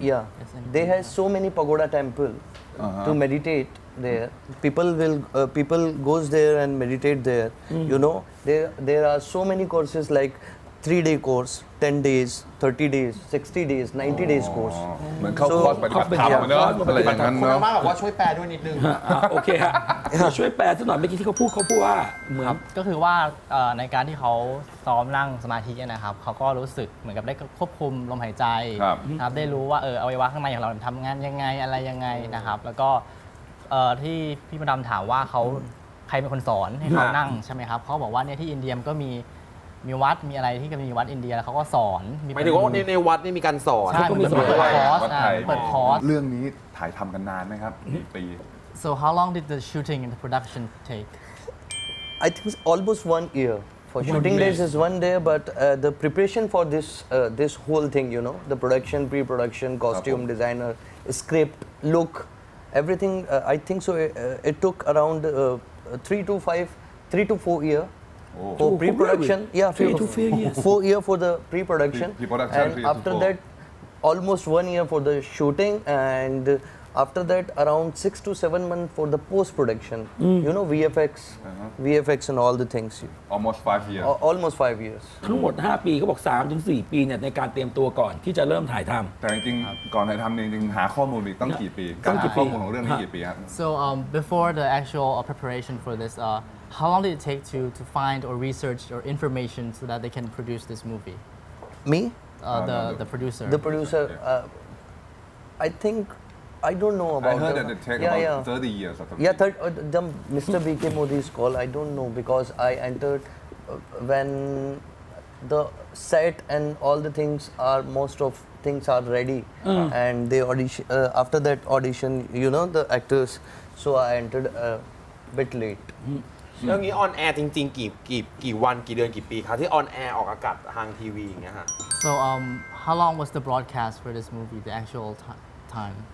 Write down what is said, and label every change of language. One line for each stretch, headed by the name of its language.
English: Yeah. They have so many pagoda temple to meditate there. People goes there and meditate there. You know, there are so many courses like 3-day course, 10 days, 30 days, 60 days, 90 days course.
Thai: เหมือนเข้าคอร์สปฏิบัติธรรมเนาะอะไรอย่างนั้นเน า ะ คุณมาบอกว่าช่วยแปลด้วยนิดนึง โอเคฮะช่วยแปลสักหน่อยเมื่อกี้ที่เขาพูดว่าเหมือน ก็คือว่าในการที่เขาซ้อมนั่งสมาธินะครับเขาก็รู้สึกเหมือนกับได้ควบคุมลมหายใจ ครับได้รู้ว่าอวัยวะข้างในของเราทำงานยังไงอะไรยังไงนะครับแล้วก็ที่พี่มดำถามว่าเขาใครเป็นคนสอนให้เขานั่งใช่ไหมครับเขาบอกว่าเนี่ยที่อินเดียก็มีวัดมีอะไรที่ก็มีวัดอินเดียแล้วเขาก็สอน หมายถึงว่าในวัดนี่มีการสอน ใช่ มี ส อนคอร์สเปิดคอร์ส เรื่องนี้ถ่ายทำกันนานไหมครับปี
English: So how long did the shooting and the production take I think almost 1 year for shooting days is 1 day but the preparation for this this whole thing you know the production pre-production costume designer script look everything I think so it took around 3 to 4 year Oh. For pre-production, yeah, 4 years for the pre-production, and after that, almost 1 year for the shooting, and after that, around 6 to 7 months for the post-production. You know, VFX, VFX, and all the things. Almost 5 years. Almost 5 years.
Thai: ทั้งหมด5 ปีเขาบอก3 ถึง 4 ปีเนี่ยในการเตรียมตัวก่อนที่จะเริ่มถ่ายทำ แต่จริงก่อนถ่ายทำจริงหาข้อมูลอีกต้องกี่ปี ต้องกี่ปีข้อมูลของเรื่องนี้กี่ปีครับ
English: So before the actual preparation for this. How long did it take to find or research or information so that they can produce this movie? Me? The producer. The producer. Yeah. I think I don't know about them. I heard that they take about 30 years or something. Yeah, Mr. BK Modi's call, I don't know, because I entered when the set and all the things are, most of things are ready. And they audition, after that audition, you know, the actors, so I entered a bit late.
Thai: เรื่องนี้ออนแอร์จริงๆกี่วันกี่เดือนกี่ปีครับที่ออนแอร์ออกอากาศทางทีวีอย่างเงี้ยฮะ
English: so how long was the broadcast for this movie the actual time